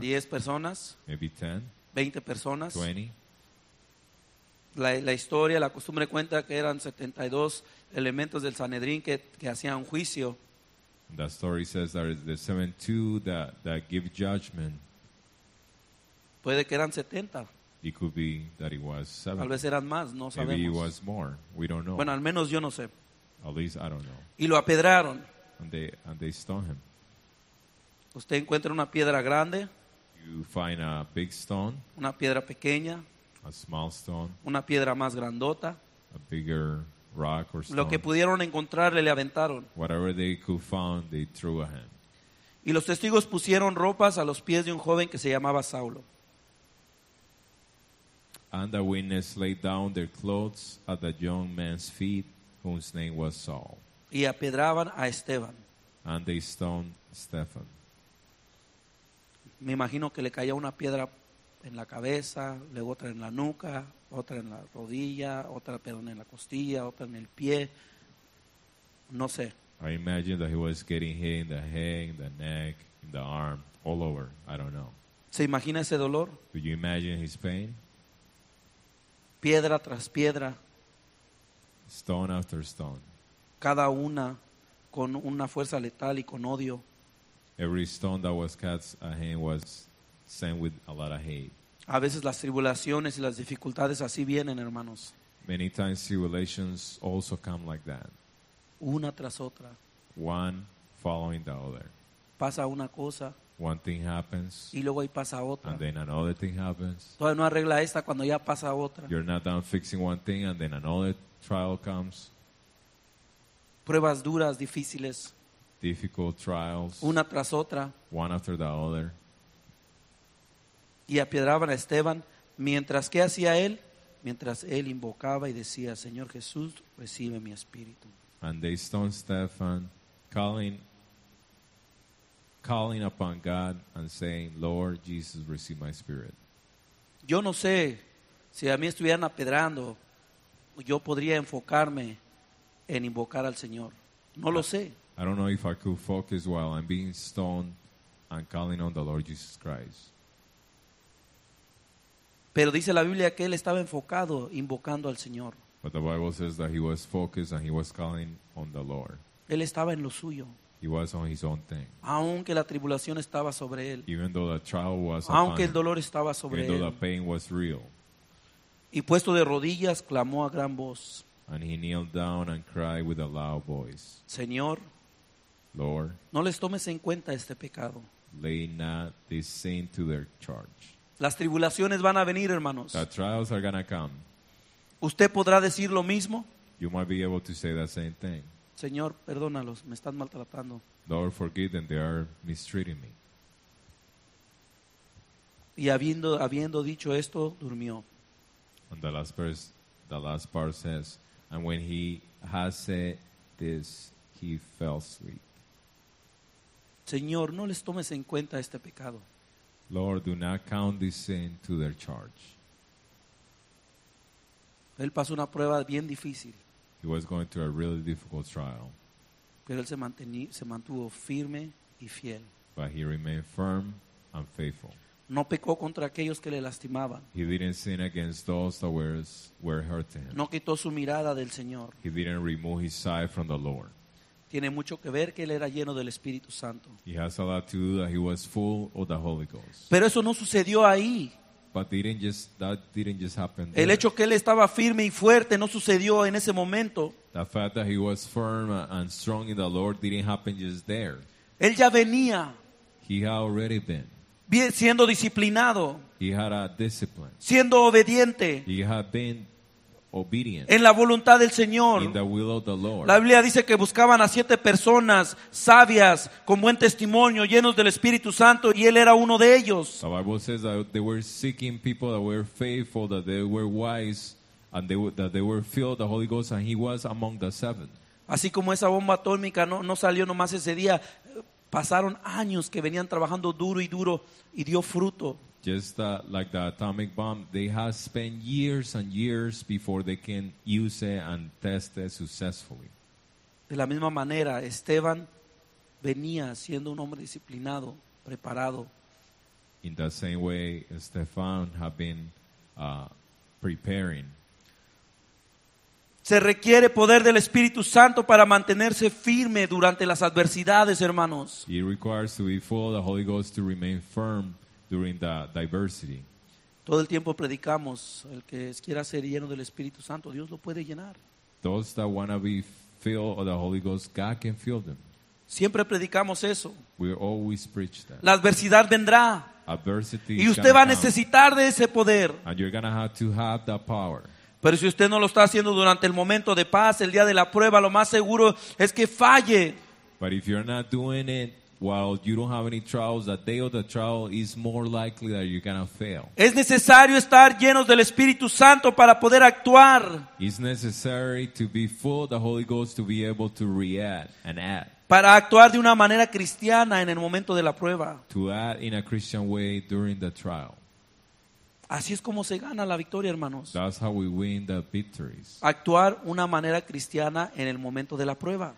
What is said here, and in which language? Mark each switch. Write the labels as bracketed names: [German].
[Spanish] 10 personas. [English] Maybe 10. [Spanish] 20 personas. [English] 20. [Spanish] La historia, la costumbre cuenta que eran 72 elementos del Sanedrín que hacían juicio. [English] The story says that the 72 that give judgment. [Spanish] Puede que eran 70. [English] It could be that it was 70. [Spanish] Tal vez eran más, no sabemos. [English] Maybe it was more. We don't know. [Spanish] Bueno, al menos yo no sé. [English] At least I don't know. [Spanish] Y lo apedraron. [English] And they stoned him. [Spanish] Usted encuentra una piedra grande. [English] You find a big stone. [Spanish] Una piedra pequeña. [English] A small stone. [Spanish] Una piedra más grandota. [English] A bigger rock or stone. [Spanish] Lo que pudieron encontrar le aventaron. [English] Whatever they could find, they threw at him. [Spanish] Y los testigos pusieron ropas a los pies de un joven que se llamaba Saulo. [English] And the witness laid down their clothes at the young man's feet, whose name was Saul. [Spanish] Y apedraban a Esteban. [English] And they stoned Stephen. [Spanish] Me imagino que le caía una piedra en la cabeza, luego otra en la nuca, otra en la rodilla, otra, perdón, en la costilla, otra en el pie. No sé. [English] I imagine that he was getting hit in the head, in the neck, in the arm, all over. I don't know. [Spanish] ¿Se imagina ese dolor? [English] Do you imagine his pain? [Spanish] Piedra tras piedra. [English] Stone after stone. [Spanish] Cada una con una fuerza letal y con odio. [English] Every stone that was cast at him was sent with a lot of hate. [Spanish] A veces las tribulaciones y las dificultades así vienen, hermanos. [English] Many times tribulations also come like that. [Spanish] Una tras otra. [English] One following the other. [Spanish] Pasa una cosa. [English] One thing happens, [Spanish] y luego ahí pasa otra. [English] And then another thing happens. [Spanish] Todavía no arregla esta cuando ya pasa otra. [English] You're not done fixing one thing, and then another trial comes. [Spanish] Pruebas duras, difíciles. [English] Difficult trials. [Spanish] Una tras otra. [English] One after the other. [Spanish] Y apedraban a Esteban, mientras qué hacía él, mientras él invocaba y decía, Señor Jesús, recibe mi espíritu. [English] And they stoned Stephen, calling upon God and saying, Lord Jesus, receive my spirit. [Spanish] Yo no sé si a mí estuvieran apedrando, yo podría enfocarme en invocar al Señor. No lo sé. [English] I don't know if I could focus while I'm being stoned and calling on the Lord Jesus Christ. [Spanish] Pero dice la Biblia que él estaba enfocado invocando al Señor. [English] But the Bible says that he was focused and he was calling on the Lord. [Spanish] Él estaba en lo suyo. [English] He was on his own thing. [Spanish] Aunque la tribulación estaba sobre él. [English] Even though the trial was [Spanish] aunque el dolor estaba sobre [English] even [Spanish] él. [English] Even though the pain was real. [Spanish] Y puesto de rodillas, clamó a gran voz. [English] And he kneeled down and cried with a loud voice. [Spanish] Señor, [English] Lord, [Spanish] no les tomes en cuenta este pecado. [English] Lay not this sin to their charge. [Spanish] Las tribulaciones van a venir, hermanos. [English] The trials are gonna come. [Spanish] ¿Usted podrá decir lo mismo? [English] You might be able to say that same thing. [Spanish] Señor, perdónalos, me están maltratando. [English] Lord, forgive them, they are mistreating me. [Spanish] Y habiendo dicho esto, durmió. [English] And the last part says, and when he has said this, he fell asleep. [Spanish] Señor, no les tomes en cuenta este pecado. [English] Lord, do not count this sin to their charge. [Spanish] Él pasó una prueba bien difícil. [English] He was going through a really difficult trial. [Spanish] Pero él se mantuvo firme y fiel. [English] But he remained firm and faithful. [Spanish] No pecó contra aquellos que le lastimaban. [English] He didn't sin against those that were hurting him. [Spanish] No quitó su mirada del Señor. [English] He didn't remove his eye from the Lord. [Spanish] Tiene mucho que ver que él era lleno del Espíritu Santo. [English] He has a lot to do that he was full of the Holy Ghost. [Spanish] Pero eso no sucedió ahí. [English] But that didn't just happen there. [Spanish] El hecho que él estaba firme y fuerte no sucedió en ese momento. [English] The fact that he was firm and strong in the Lord didn't happen just there. [Spanish] Él ya venía. [English] He had already been. [Spanish] Siendo disciplinado. [English] He had a discipline. [Spanish] Siendo obediente. [English] He had been obedient. [Spanish] En la voluntad del Señor. [English] In the will of the Lord. [Spanish] La Biblia dice que buscaban a 7 personas sabias, con buen testimonio, llenos del Espíritu Santo, y él era uno de ellos. [English] The Bible says that they were seeking people that were faithful, that they were wise, and that they were filled with the Holy Ghost, and he was among the 7. [Spanish] Así como esa bomba atómica no salió nomás ese día, pasaron años que venían trabajando duro y duro y dio fruto. [English] Just like the atomic bomb, they have spent years and years before they can use it and test it successfully. [Spanish] De la misma manera, Esteban venía siendo un hombre disciplinado, preparado. [English] In the same way, Stefan had been preparing. [Spanish] Se requiere poder del Espíritu Santo para mantenerse firme durante las adversidades, hermanos. [English] It requires to be full of the Holy Ghost to remain firm during the diversity. [Spanish] Todo el tiempo predicamos, el que quiera ser lleno del Espíritu Santo, Dios lo puede llenar. [English] Those that want to be filled of the Holy Ghost, God can fill them. [Spanish] Siempre predicamos eso. [English] We always preach that. [Spanish] La adversidad vendrá. [English] Adversity. [Spanish] Y usted va a necesitar de ese poder. [English] And you're going to have that power. [Spanish] Pero si usted no lo está haciendo durante el momento de paz, el día de la prueba, lo más seguro es que falle. [English] But if you're not doing it while you don't have any trials, the day of the trial is more likely that you're going to fail. [Spanish] Es necesario estar llenos del Espíritu Santo para poder actuar. [English] It's necessary to be full of the Holy Ghost to be able to react and act. [Spanish] Para actuar de una manera cristiana en el momento de la prueba. [English] To act in a Christian way during the trial. [Spanish] Así es como se gana la victoria, hermanos. [English] That's how we win the victories. [Spanish] Actuar una manera cristiana en el momento de la prueba.